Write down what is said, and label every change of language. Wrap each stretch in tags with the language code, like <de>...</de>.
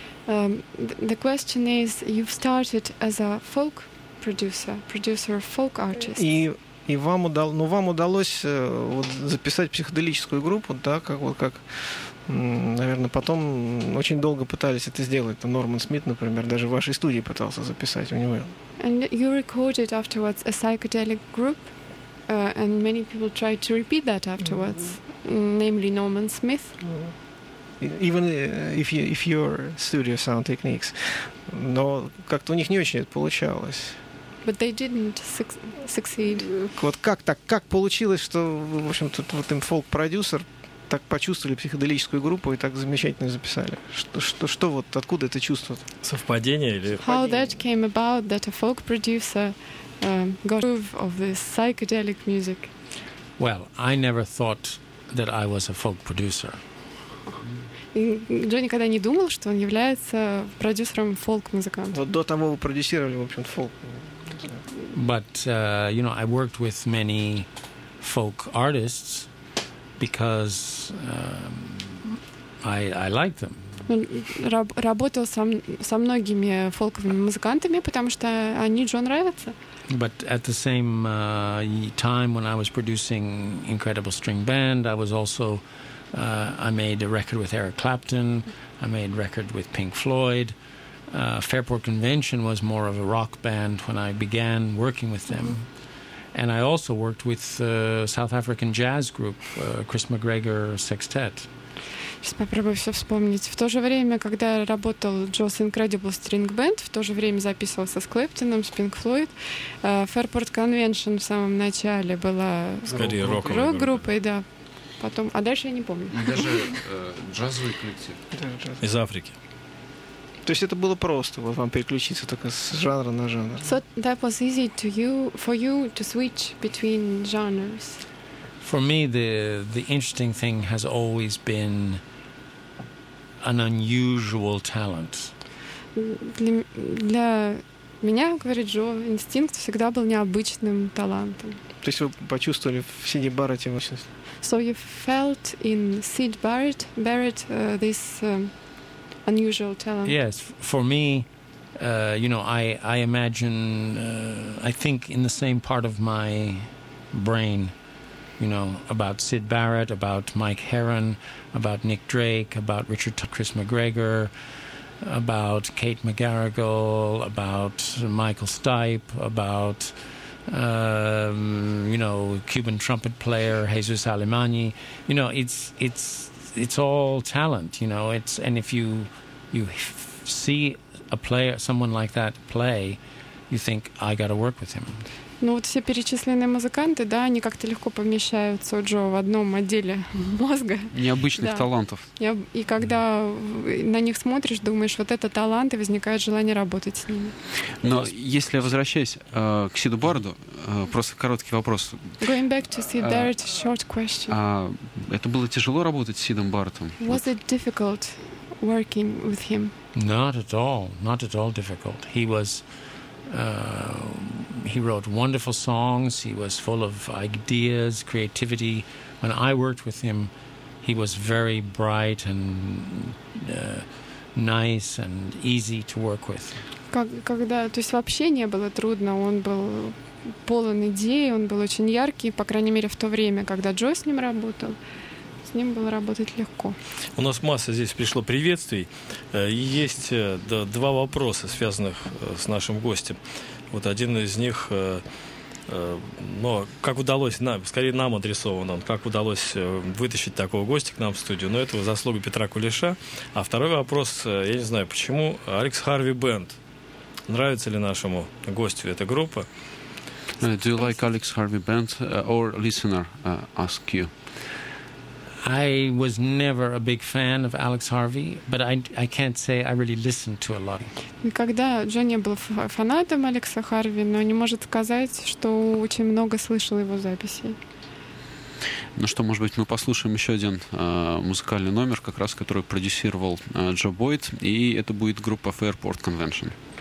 <en>The question is, you've started as a folk producer, producer of folk artists.</en> <ru>И вам удалось, ну, вам удалось вот, записать психоделическую группу, да, как вот как, наверное, потом очень долго пытались это сделать. Это Норман Смит, например, даже в вашей студии пытался записать у него.</ru> <en>And you recorded afterwards a psychedelic group, and many people tried to repeat that afterwards, mm-hmm. namely Norman Smith.</en> <ru>Mm-hmm.</ru> <en>Even if your studio sound techniques,</en> <ru>но как-то у них не очень это получалось.</ru> <en>But they didn't succeed.</en> <ru>Вот как так? Как получилось, что, в общем, тут вот им фолк-продюсер так почувствовали психоделическую группу и так замечательно записали? Что вот, откуда это чувство? Совпадение или...</ru> <en>How that came about, that a folk producer got groove of this psychedelic music? Well, I never thought that I was a folk producer.</en> <ru>Джо никогда не думал, что он является продюсером фолк-музыканта. Вот до того вы продюсировали, в общем, фолк.</ru> <en>But, you know, I worked with many folk artists because I like them.</en> <ru>Работал со многими фолковыми музыкантами, потому что они Джо нравятся.</ru> <en>But at the same time when I was producing Incredible String Band, I was also, I made a record with Eric Clapton, I made a record with Pink Floyd. Fairport Convention was more of a rock band when I began working with them. Mm-hmm. And I also worked with South African jazz group, Chris McGregor Sextet.</en> <ru>Сейчас попробую все вспомнить. В то же время, когда я работал Joe's Incredible String Band, в то же время записывался с Клэптоном, с Pink Floyd, Fairport Convention в самом начале была рок-группой, да. Потом, а дальше я не помню. Даже джазовый коллектив. Из Африки. То есть это было просто, вот вам переключиться только с жанра на жанр.</ru> <en>So that was easy to you, for you to switch between genres. For me, the interesting thing has always been an unusual talent.</en> <ru>Для меня, говорит Джо, инстинкт всегда был необычным талантом. То есть вы почувствовали в Сиде Барретте вообще?</ru> <en>So you felt in Sid Barrett this unusual talent. Yes, for me, you know, I imagine, I think in the same part of my brain, you know, about Syd Barrett, about Mike Heron, about Nick Drake, about Richard Chris McGregor, about Kate McGarrigle, about Michael Stipe, about, you know, Cuban trumpet player Jesus Alemany. You know, it's all talent, you know, it's, and if you see a player, someone like that play, you think, I gotta work with him.</en> <ru>Ну вот все перечисленные музыканты, да, они как-то легко помещаются у Джо в одном отделе мозга. Необычных, да, талантов. И когда на них смотришь, думаешь, вот это талант, и возникает желание работать с ними. Но если я возвращаюсь к Сиду Барретту, просто короткий вопрос.</ru> <en>Going back to Sid Barrett, short question.</en> <ru>Это было тяжело работать с Сидом Барреттом?</ru> <en>Was it difficult working with him? Not at all. Not at all difficult. He was... he wrote wonderful songs. He was full of ideas, creativity. When I worked with him, he was very bright and nice and easy to work with.</en> <ru>Когда, то есть вообще не было трудно. Он был полон идей. Он был очень яркий, по крайней мере в то время, когда Джо с ним работал. С ним было работать легко. У нас масса здесь пришло приветствий. Есть два вопроса, связанных с нашим гостем. Вот один из них, но как удалось, скорее нам адресован он, как удалось вытащить такого гостя к нам в студию, но это заслуга Петра Кулеша. А второй вопрос, я не знаю, почему, Алекс Харви Бенд. Нравится ли нашему гостю эта группа?</ru> <en>Do you like Alex Harvey Band or listener ask you? I was never a big fan of Alex Harvey, but I can't say I really listened to a lot.</en> <ru>Никогда Джо не был фанатом Алекса Харви, но не может сказать, что очень много слышал его записей. Ну что, может быть, мы послушаем еще один музыкальный номер, как раз который продюсировал Джо Бойд, и это будет группа Fairport Convention.</ru>